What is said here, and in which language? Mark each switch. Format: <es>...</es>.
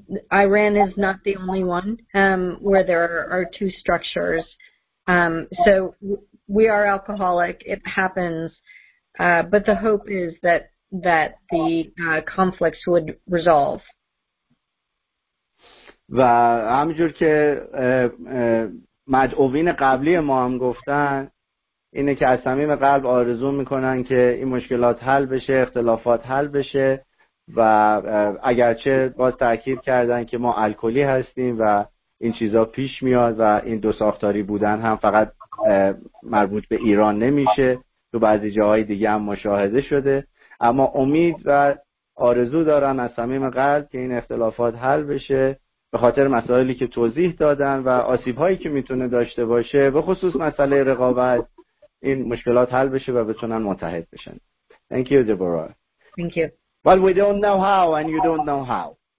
<en>Iran is not the only one where there are two structures. So we are alcoholic. It happens. But the hope is that the conflicts would resolve.</en> <fa>و همینجور که مدعوین قبلی ما هم گفتن اینه که از صمیم قلب آرزو میکنن که این مشکلات حل بشه، اختلافات حل بشه و اگرچه باز تأکید کردن که ما الکلی هستیم و این چیزا پیش میاد و این دو ساختاری بودن هم فقط مربوط به ایران نمیشه، تو بعضی جاهای دیگه هم مشاهده شده، اما امید و آرزو دارن از صمیم قلب که این اختلافات حل بشه به خاطر مسائلی که توضیح دادن و آسیب‌هایی که میتونه داشته باشه، به خصوص مسئله رقابت، این مشکلات حل بشه و بتونن متحد بشن.</fa> <en>Thank you, Deborah. Thank you. Well, we don't know how and you don't know how.</en>